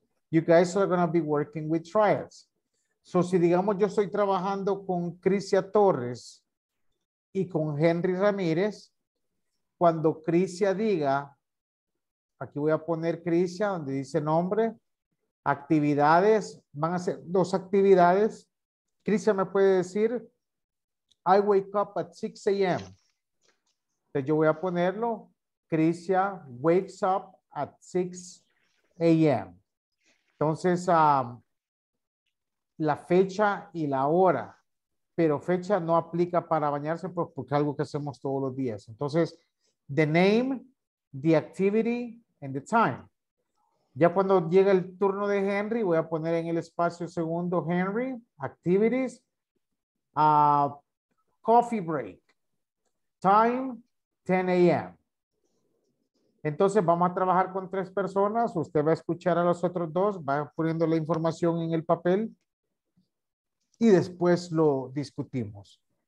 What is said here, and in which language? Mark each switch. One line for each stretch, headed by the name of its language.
English: You guys are going to be working with triads.
Spanish: So, si digamos yo estoy trabajando con Crisia Torres y con Henry Ramírez, cuando Crisia diga, aquí voy a poner Crisia donde dice nombre, actividades, van a ser dos actividades.
English: Crisia
Spanish: me puede decir,
English: I wake up at 6 a.m.
Spanish: Entonces yo voy a ponerlo, Crisia
English: wakes up at 6 a.m.
Spanish: Entonces, la fecha y la hora, pero fecha no aplica para bañarse porque es algo que hacemos todos los días.
English: Entonces, the name, the activity, and the time.
Spanish: Ya cuando llega el turno de Henry, voy a poner en el espacio segundo, Henry, activities, coffee break, time, 10 a.m. Entonces, vamos a trabajar con tres personas. Usted va a escuchar a los otros dos, va poniendo la información en el papel y después lo discutimos.